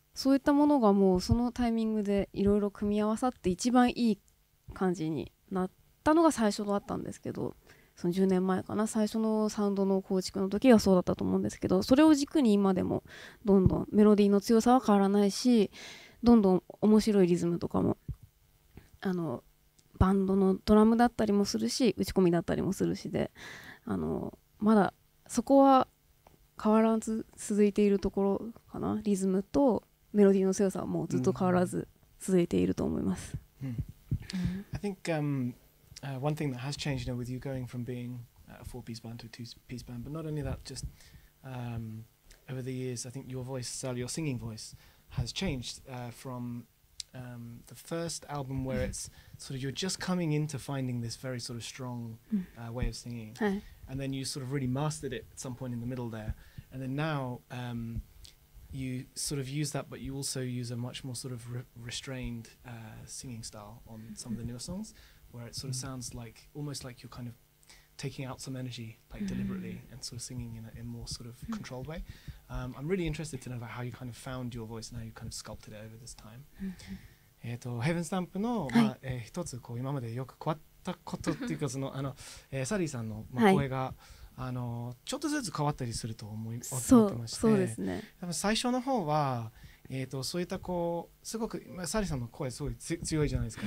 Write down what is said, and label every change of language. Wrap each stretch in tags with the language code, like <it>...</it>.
<ja>そういったものがもうそのタイミングでいろいろ組み合わさって一番いい感じになったのが最初だったんですけど、その10年前かな、最初のサウンドの構築の時はそうだったと思うんですけど、それを軸に今でもどんどんメロディーの強さは変わらないし、どんどん面白いリズムとかもあのバンドのドラムだったりもするし打ち込みだったりもするしで、あのまだそこは変わらず続いているところかな。リズムとメロディーの強さはもうずっと変わらず続いていると思います。</ja> <en>I think one thing that has changed, you know, with you going from being a four-piece band to a two-piece band, but not only that, just over the years, I think your voice, Sal, your singing voice, has changed from the first album where it's sort of you're just coming into finding this very sort of strong way of singing, and then you sort of really mastered it at some point in the middle there, and then now you sort of use that, but you also use a much more sort of restrained singing style on some of the newer songs. Where it sort of sounds like almost like you're kind of taking out some energy, like deliberately, and sort of singing in a more sort of controlled way. I'm really interested to know about how you kind of found your voice and how you kind of sculpted it over this time.</en> <ja>Heaven Stamp の、まあ一つこう今までよく変わったことっていうか、そのあの、サリーさんの、まあ、声が、あのちょっとずつ変わったりすると思ってまして、そうですね、多分最初の方は。そういったこうすごく、まあ、サリさんの声すごい強いじゃないですか。</ja>